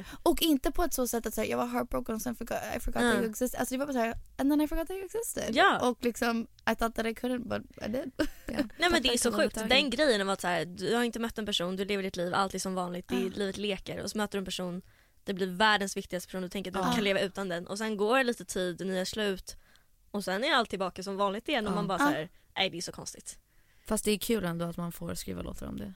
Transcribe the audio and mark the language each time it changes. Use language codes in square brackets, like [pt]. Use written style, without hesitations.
[sv] Och inte på ett så sätt att såhär, jag var heartbroken och sen [en] I forgot that you existed. [sv] Alltså det var bara såhär, [en] and then I forgot that you existed. [sv] Ja. [en] Och liksom, I thought that I couldn't, but I did. Yeah. [sv] Nej, men det är så sjukt. Den grejen var att såhär, du har inte mött en person, du lever ditt liv alltid som vanligt, livet leker, och så möter du en person, det blir världens viktigaste person, du tänker att du kan leva utan den, och sen går lite tid, ni är slut, och sen är allt tillbaka som vanligt igen, och man bara såhär, nej, det är så konstigt. Fast det är kul ändå att man får skriva låtar om det.